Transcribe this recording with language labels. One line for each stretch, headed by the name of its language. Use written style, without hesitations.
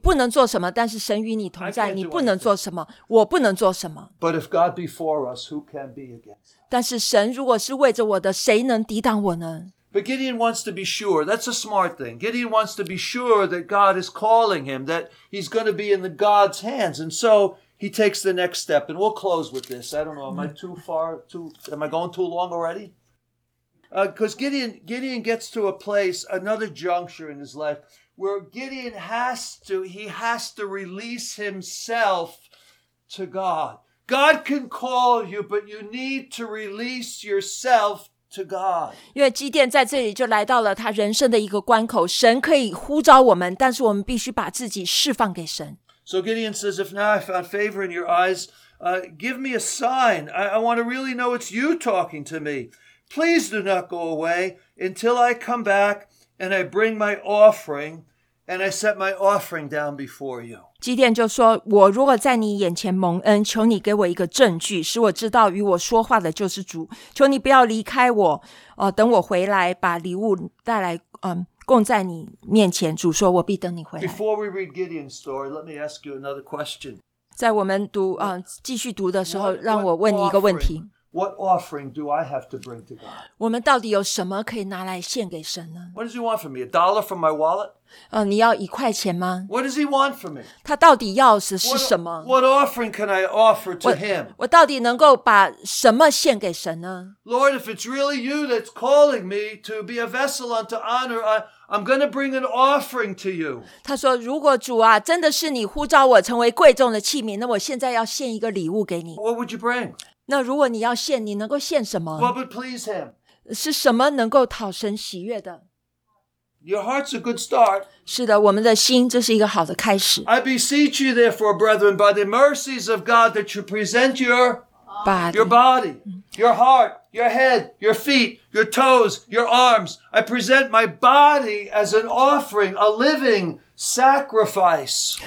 Chinese: 不能做什么，但是神与你同在。你不能做什么，我不能做什么。
English: But if God be for us, who can be against us?
Chinese: 但是神如果是为着我的，谁能抵挡我呢？
English: But Gideon wants to be sure. That's a smart thing. Gideon wants to be sure that God is calling him, that he's going to be in God's hands. And so... He takes the next step, and we'll close with this. I don't know, am I too far, am I going too long already? Because Gideon gets to a place, another juncture in his life, where Gideon has to release himself to God. God can call you, but you need to release yourself to God.
Chinese: 因为基甸在这里就来到了他人生的一个关口，神可以呼召我们，但是我们必须把自己释放给神。
English: So Gideon says, if now I found favor in your eyes, give me a sign. I want to really know it's you talking to me. Please do not go away until I come back and I bring my offering and I set my offering down before you.
Chinese: 基甸就说，我如果在你眼前蒙恩，求你给我一个证据，使我知道与我说话的就是主。求你不要离开我，等我回来把礼物带来，供在你面前，主说，我必等你回来。
English: Before we read Gideon's story, let me ask you another question.
Chinese: 在我们读继续读的时候，让我问你一个问题。
English: What offering do I have to bring to God?
Chinese: 我们到底有什么可以拿来献给神呢？
English: What does he want from me? A dollar from my wallet?
Chinese: 你要一块钱吗？
English: What does he want from me?
Chinese: 他到底要的是什么？
English: What offering can I offer to him?
Chinese: 我到底能够把什么献给神呢？
English: Lord, if it's really you that's calling me to be a vessel unto honor, I'm going to bring an offering to you.
Chinese: 他说，如果主啊，真的是你呼召我成为贵重的器皿，那我现在要献一个礼物给你。
English: What would you bring?
Chinese: 那如果你要献，你能够献什么？
English: What would please him?
Chinese: 是什么能够讨神喜悦的？
English: Your heart's a good start.
Chinese: 是的，我们的心，这是一个好的开始。
English: I beseech you therefore, brethren, by the mercies of God, that you present your body, your heart, your head, your feet, your toes, your arms. I present my body as an offering, a living sacrifice.